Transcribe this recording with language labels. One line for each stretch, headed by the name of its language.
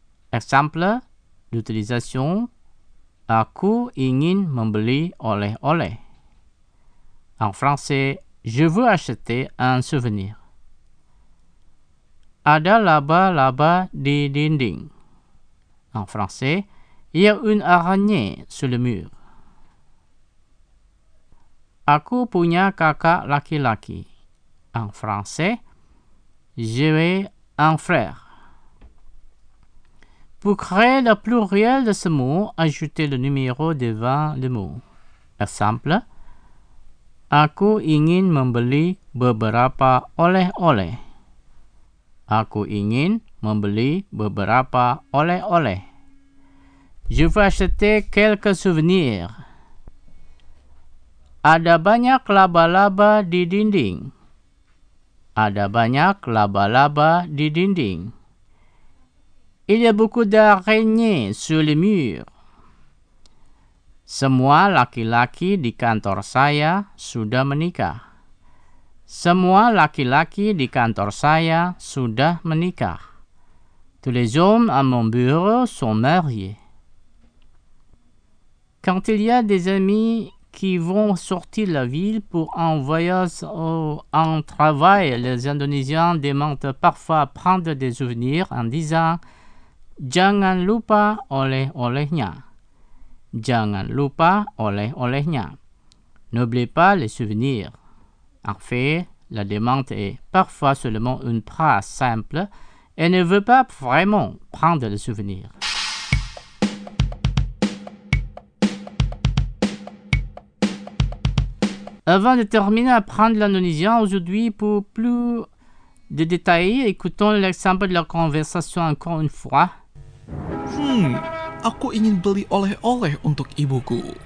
French: Exemple d'utilisation,
Indonesian: aku ingin membeli oleh oleh.
French: En français, je veux acheter un souvenir. Ada là-bas, là-bas,
Indonesian: di dinding.
French: En français, il y a une araignée sur le mur.
Indonesian: Aku punya kakak laki-laki.
French: en français, j'ai un frère. Pour créer le pluriel de ce mot, ajoutez le numéro devant le mot. Exemple,
Indonesian: aku ingin membeli beberapa oleh-oleh. Aku ingin membeli beberapa oleh-oleh.
French: Je veux acheter quelques souvenirs.
Indonesian: Ada banyak laba-laba di dinding. Ada banyak laba-laba di dinding.
French: Il y a beaucoup d'araignées sur les murs.
Indonesian: Semua laki-laki di kantor saya sudah menikah. Semua laki-laki di kantor saya sudah menikah.
French: Tous les hommes à mon bureau sont mariés. Quand il y a des amis qui vont sortir de la ville pour un voyage ou un travail, les Indonésiens demandent parfois prendre des souvenirs en disant
Indonesian: jangan lupa oleh-olehnya. Jangan lupa oleh-olehnya.
French: N'oublie pas les souvenirs. En fait, la demande est parfois seulement une phrase simple et ne veut pas vraiment prendre les souvenirs. Avant de terminer, apprendre l'indonésien aujourd'hui pour plus de détails, écoutons l'exemple de la conversation encore une fois.
Indonesian: Aku ingin beli oleh-oleh untuk ibuku.